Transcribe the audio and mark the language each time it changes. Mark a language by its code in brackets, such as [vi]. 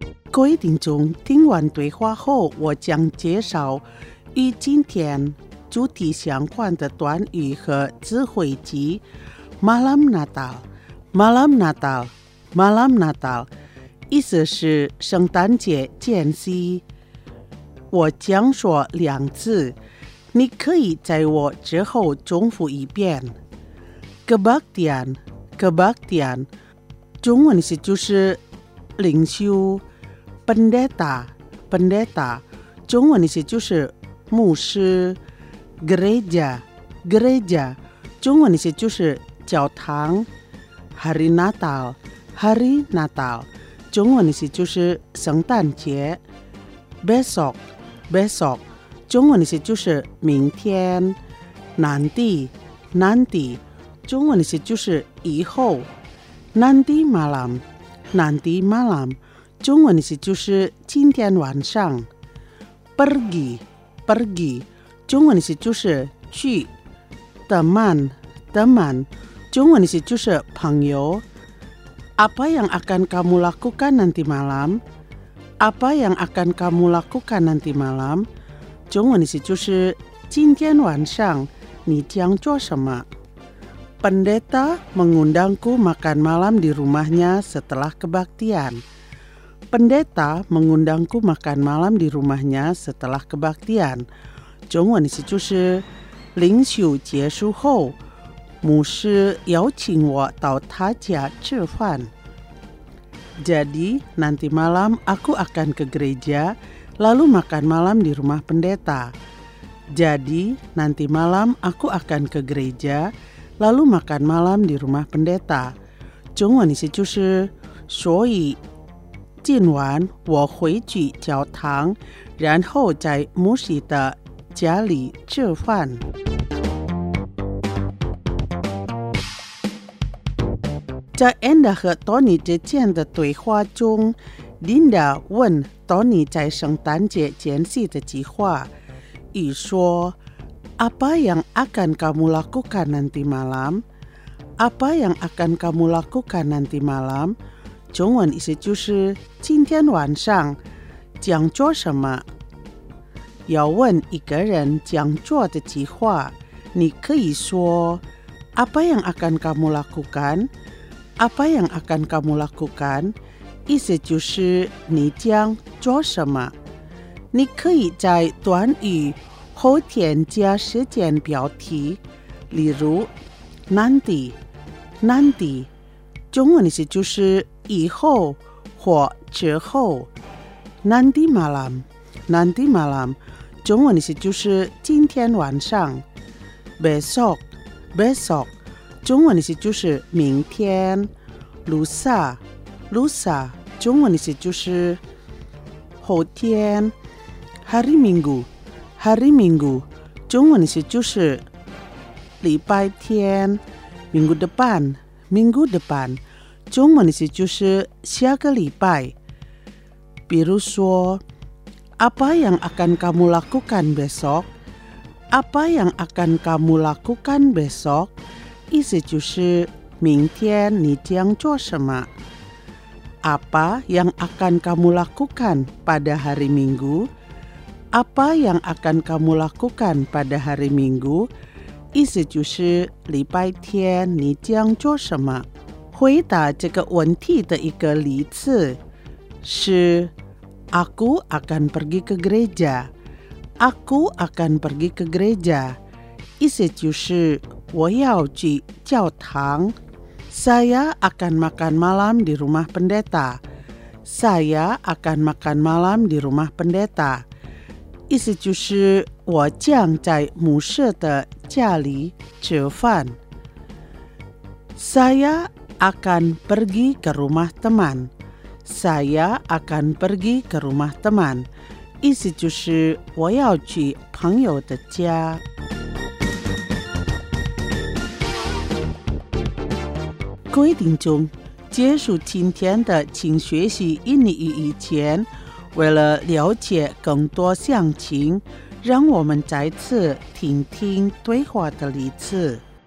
[zh] 各位听众，听完对话后，我将介绍与今天主题相关的短语和词汇集。 Malam Natal， Malam Natal， Malam Natal， 意思是圣诞节间隙。我将说两次，你可以在我之后重复一遍。 Kebaktian， Kebaktian， 中文是就是灵修。 Pendeta, pendeta, 中文意思就是牧师。 Gereja, gereja, 中文意思就是教堂。 Hari Natal, hari Natal, 中文意思就是圣诞节。 Besok, besok, 中文意思就是明天。 Nanti, nanti, 中文意思就是以后。 Nanti malam, nanti malam. 中文是就是今天晚上。 Pergi, pergi, 中文是就是去。 Teman, teman, 中文是就是朋友。 [id] Apa yang akan kamu lakukan nanti malam? Apa yang akan kamu lakukan nanti malam? [zh] 中文是就是今天晚上你将做什么。 [id] Pendeta mengundangku makan malam di rumahnya setelah kebaktian. Pendeta mengundangku makan malam di rumahnya setelah kebaktian. [zh] 中文是就是灵修结束后，牧师邀请我到他家吃饭。 [id] Jadi nanti malam aku akan ke gereja lalu makan malam di rumah pendeta. Jadi nanti malam aku akan ke gereja lalu makan malam di rumah pendeta. [zh] 中文是就是所以今晚我回去教堂，然后在牧师的家里吃饭。在 Anda 和 Tony 之间的对话中， Linda 问 Tony 在圣诞节间隙的计划，与说 [id] Apa yang akan kamu lakukan nanti malam? Apa yang akan kamu lakukan nanti malam? [zh] 中文意思就是今天晚上将做什么。要问一个人将做的计划，你可以说 [id] Apa yang akan kamu lakukan? Apa yang akan kamu lakukan? [zh] 意思就是你将做什么。你可以在短语后添加时间表题，例如 Nanti, Nanti, 中文意思就是以后或之后。 [id] Nanti malam, nanti malam, [zh] 中文意思就是今天晚上 besok besok 中文意思就是明天 lusa lusa 中文意思就是后天 hari minggu hari minggu 中文意思就是礼拜天 minggu depan minggu depan 中文意思就是下个礼拜。比如说 [id] apa yang akan kamu lakukan besok? Apa yang akan kamu lakukan besok? [zh] 意思就是明天你将做什么。 [id] Apa yang akan kamu lakukan pada hari Minggu? Apa yang akan kamu lakukan pada hari Minggu? [zh] 意思就是礼拜天你将做什么。回答这个问题的一个例子是 [id] Aku akan pergi ke gereja. Aku akan pergi ke gereja. [zh] 意思就是我要去教堂。 [id] Saya akan makan malam di rumah pendeta. Saya akan makan malam di rumah pendeta. [zh] 意思就是我将在牧师的家里吃饭。 [id] Saya akan pergi ke rumah teman. Saya akan pergi ke rumah teman. [zh] 意思就是我要去朋友的家。各位听众，结束今天的请学习印尼语以前，为了了解更多详情，让我们再次听听对话的例子。